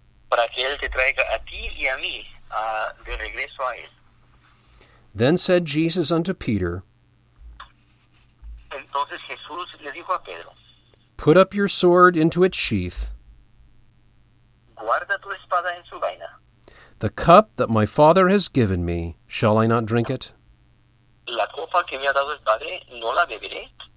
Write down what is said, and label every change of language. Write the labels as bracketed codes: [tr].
[es] Para que Él te traiga a ti y a mí, de regreso a Él. [en] Then said Jesus unto Peter, [es] entonces Jesús le dijo a Pedro, [en] put up your sword into its sheath. [es] Guarda tu espada en su vaina. [en] The cup that my Father has given me, shall I not drink it? [es] La copa que me ha dado el Padre, ¿no la beberé?